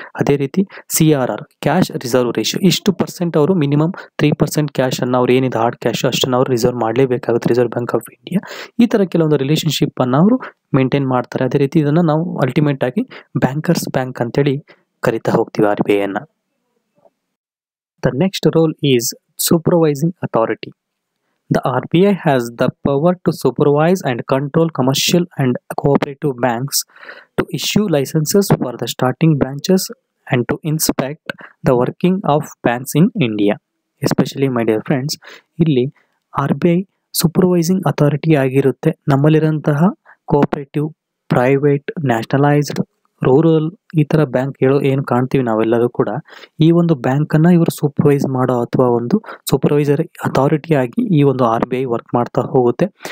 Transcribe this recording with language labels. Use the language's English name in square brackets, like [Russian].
[Kannada] ಅದೇ ರೀತಿ CRR cash reserve ratio, ಇಷ್ಟು ಪರ್ಸೆಂಟ್ ಅವರು ಮಿನಿಮಮ್ 3% ಕ್ಯಾಶನ್ನು, ಅವ್ರು ಏನಿದೆ ಹಾರ್ಡ್ ಕ್ಯಾಶು ಅಷ್ಟನ್ನು ಅವರು reserve ಮಾಡಲೇಬೇಕಾಗುತ್ತೆ reserve bank of India. ಈ ಥರ ಕೆಲವೊಂದು ರಿಲೇಷನ್ಶಿಪ್ಪನ್ನು ಅವರು ಮೇಂಟೈನ್ ಮಾಡ್ತಾರೆ. ಅದೇ ರೀತಿ ಇದನ್ನು ನಾವು ಅಲ್ಟಿಮೇಟ್ ಆಗಿ ಬ್ಯಾಂಕರ್ಸ್ ಬ್ಯಾಂಕ್ ಅಂತೇಳಿ ಕರಿತಾ ಹೋಗ್ತೀವಿ RBIಯನ್ನು. [English] The next role is supervising authority. The RBI has the power to supervise and control commercial and cooperative banks, to issue licenses for the starting branches, and to inspect the working of banks in India. Especially, my dear friends, [Kannada] ಇಲ್ಲಿ R B I supervising authority ಆಗಿರುತ್ತೆ ನಮ್ಮಲ್ಲಿರೋಂತಹ cooperative, private, nationalised, rural ಈ ಥರ bank ಹೇಳೋ ಏನು ಕಾಣ್ತೀವಿ ನಾವೆಲ್ಲರೂ ಕೂಡ. ಈ ಒಂದು ಬ್ಯಾಂಕನ್ನು ಇವರು ಸೂಪರ್ವೈಸ್ ಮಾಡೋ ಅಥವಾ ಒಂದು ಸೂಪರ್ವೈಸರ್ ಅಥಾರಿಟಿ ಆಗಿ ಈ ಒಂದು ಆರ್ ಬಿ ಐ ವರ್ಕ್ ಮಾಡ್ತಾ ಹೋಗುತ್ತೆ.